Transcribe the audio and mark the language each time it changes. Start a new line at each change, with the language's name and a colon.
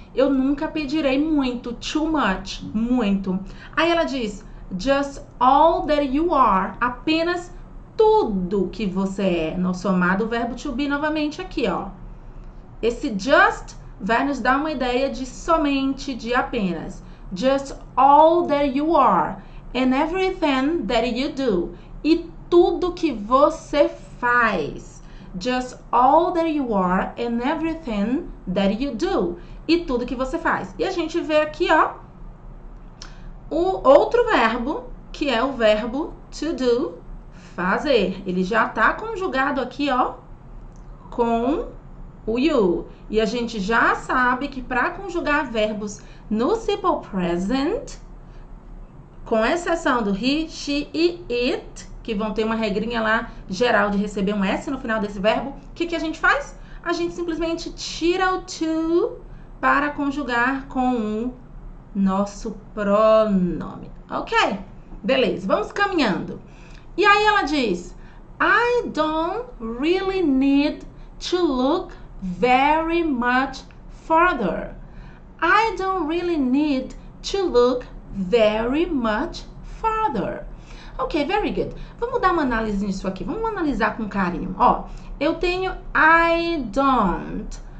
Portuguese: Eu nunca pedirei muito,
English: too much,
Portuguese: muito. Aí ela diz:
English: just all that you are,
Portuguese: apenas tudo que você é. Nosso amado verbo to be novamente aqui, ó. Esse just vai nos dar uma ideia de somente, de apenas.
English: Just all that you are and everything that you do.
Portuguese: E tudo que você faz.
English: Just all that you are and everything that you do.
Portuguese: E tudo que você faz. E a gente vê aqui, ó, o outro verbo, que é o verbo to do, fazer. Ele já tá conjugado aqui, ó, com o you. E a gente já sabe que para conjugar verbos no simple present, com exceção do he, she e it, que vão ter uma regrinha lá geral de receber um S no final desse verbo. O que que a gente faz? A gente simplesmente tira o to para conjugar com o nosso pronome. Ok? Beleza, vamos caminhando. E aí ela diz:
English: I don't really need to look very much further. I don't really need to look very much further. Ok, very good.
Portuguese: Vamos dar uma análise nisso aqui. Vamos analisar com carinho. Ó, eu tenho
English: I don't.